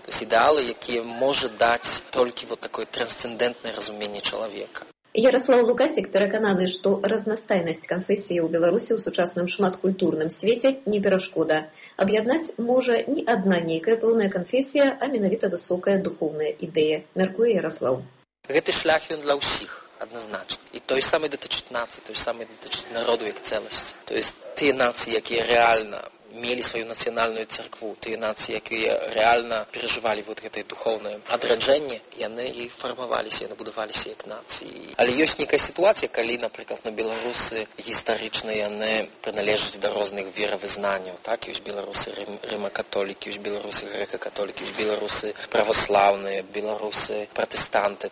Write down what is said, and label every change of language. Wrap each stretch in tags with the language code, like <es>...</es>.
<ru>То есть</ru> <be>ідэалы, якія можа даць толькі вот такое трансцендэнтнае разуменне чалавека. Ярослаў Лукасік перакананы, што разнастайнасць канфесіі ў Беларусі ў сучасным шматкультурным свеце не перашкода. Аб'яднаць можа не адна нейкая пэўная канфесія, а менавіта высокая духоўная ідэя, мяркуе Ярослаў. Гэты шлях ён для ўсіх.</be> <ru>Однозначно.</ru> <uk>І той самий дотичить нації, той самий дотичить народу як цілості. Тобто ті нації, які реально</uk> <ru>мели свою национальную церкву, те нации, которые реально переживали вот это духовное отражение, и они и формовались, и они будовались как нации. Але есть некая ситуация, когда, например, на белорусы историчные, они принадлежат до разных вероизнаний, так, есть белорусы римокатолики, есть белорусы греко-католики, есть белорусы православные, белорусы протестанты.</ru>